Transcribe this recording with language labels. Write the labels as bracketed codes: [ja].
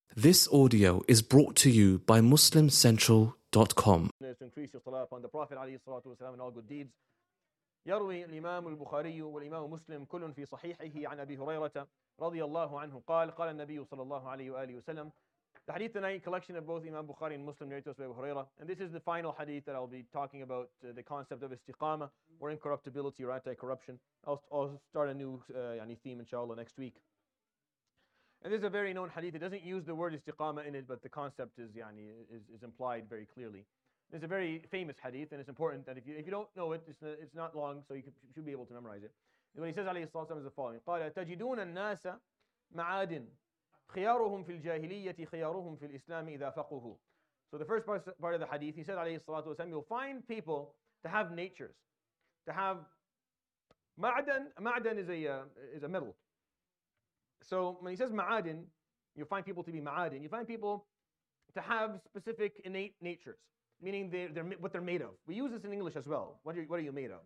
[en] This audio is brought to you by MuslimCentral.com. To increase your salah upon the Prophet [ar] عليه الصلاة والسلام [en] and all good deeds. [ar] يروي الإمام البخاري والإمام مسلم كل في صحيحه عن أبي هريرة رضي الله عنه قال قال النبي صلى الله عليه وآله وسلم. [en] The hadith tonight, collection of both Imam Bukhari and Muslim narrated by Abu Huraira. And this is the final hadith that I'll be talking about, the concept of istiqama, or incorruptibility, or anti-corruption. I'll start a new theme, inshallah, next week. And this is a very known hadith. It doesn't use the word istiqama in it, but the concept is implied very clearly. It's a very famous hadith, and it's important that if you don't know it, it's not long, so you should be able to memorize it. And what he says, alayhi salam, is the following. [ar] قَالَ تَجِدُونَ النَّاسَ مَعَادٍ خيارهم في الجاهلية خيارهم في الإسلام إذا فقهوا. [en] So the first part of the hadith, he said [ar] عليه الصلاة والسلام, [en] you'll find people to have natures, to have ma'adan. Ma'adan is a metal. So when he says ma'adan, you'll find people to be ma'adan. You find people to have specific innate natures, meaning they're what they're made of. We use this in English as well. What are you made of?